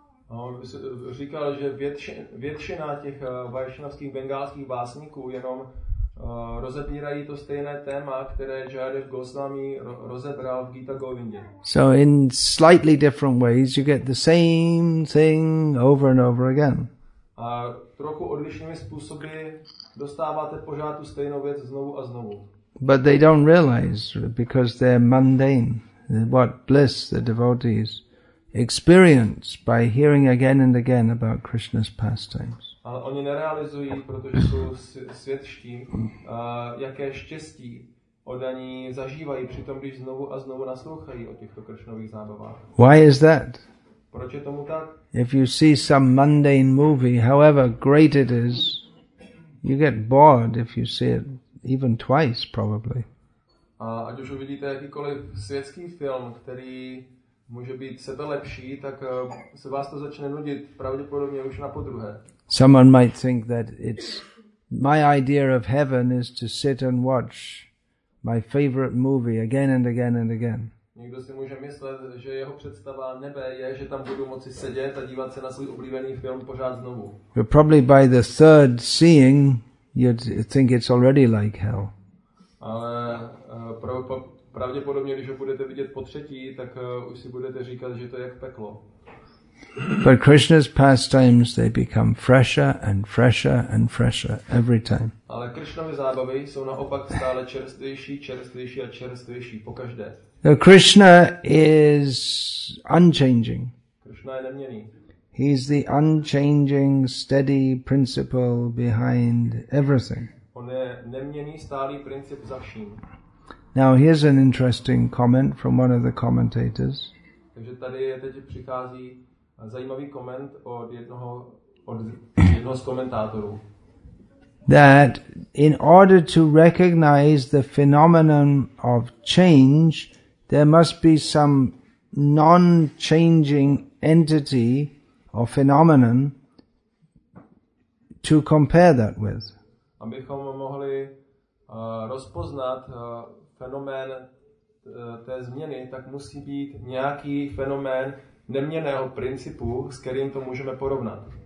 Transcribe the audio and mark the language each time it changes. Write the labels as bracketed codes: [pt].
[cs] On říkal, že většina těch vaishnavských bengalských básníků jenom rozebírají to stejné téma, které Jaidev Goswami rozebral v Gita Govindě. [en] So in slightly different ways you get the same thing over and over again. [cs] A trochu odlišnými způsoby dostáváte pořád tu stejnou věc znovu a znovu. [en] But they don't realize, because they're mundane, what bliss the devotees experience by hearing again and again about Krishna's pastimes. [cs] Ale oni nerealizují, protože jsou světští, jaké štěstí oddaní zažívají při tom, když znovu a znovu naslouchají o těchto Krishnových zábavách. [en] Why is that? [cs] Proč je tomu tak? [en] If you see some mundane movie, however great it is, you get bored if you see it even twice, probably. [cs] A ať už uvidíte jakýkoliv světský film, který může být sebelepší, tak se vás to začne nudit pravděpodobně už na podruhé. [en] Someone might think that it's my idea of heaven is to sit and watch my favorite movie again and again and again. [cs] Někdo si může myslet, že jeho představa nebe je, že tam budu moci sedět a dívat se na svůj oblíbený film pořád znovu. [en] But probably by the third seeing, you'd think it's already like hell. [cs] Ale pravděpodobně, když ho budete vidět po třetí, tak už si budete říkat, že to je jak peklo. [en] But Krishna's pastimes, they become fresher and fresher and fresher every time. [cs] Ale Krishnovy zábavy jsou naopak stále čerstvější, čerstvější a čerstvější po každé. [en] So Krishna is unchanging. [cs] Krishna je neměný. [en] He's the unchanging, steady principle behind everything. [cs] On je neměný, stálý princip za vším. [en] Now here's an interesting comment from one of the commentators. [cs] Takže tady teď přichází zajímavý koment od jednoho z komentátorů. [en] That in order to recognize the phenomenon of change, there must be some non-changing entity or phenomenon to compare that with. [cs] Abychom mohli rozpoznat fenomén té změny, tak musí být nějaký fenomén neměnného principu, s kterým to můžeme porovnat.